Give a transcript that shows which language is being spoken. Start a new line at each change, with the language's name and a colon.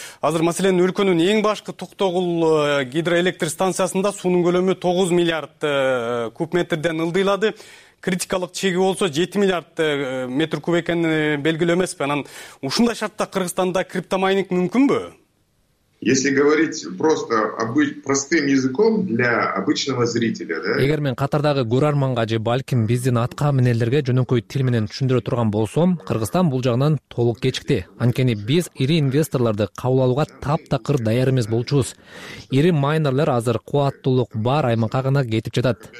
Kyrgyz: Азыр маселен өлкөнүн эң башкы Токтогул гидроэлектр станциясында суунун көлөмү 9 миллиард куб метрден ылдыйлады. Критикалык чеги болсо 7 миллиард метр куб экени белгилүү эмеспи? Анан ушундай шартта Кыргызстанда криптомайнинг мүмкүнбү?
Russian: Если говорить просто простым языком для обычного зрителя, да?
Kyrgyz: Эгер мен катардагы көрөрманга же балким биздин атка минерлерге жөнөкөй тил менен түшүндүрө турган болсом, Кыргызстан бул жагынан толук кечикти. Анткени биз ири инвесторлорду кабыл алууга таптакыр даяр эмес болчубуз. Ири майнерлер азыр кубаттуулук бар аймакка гана кетип жатат.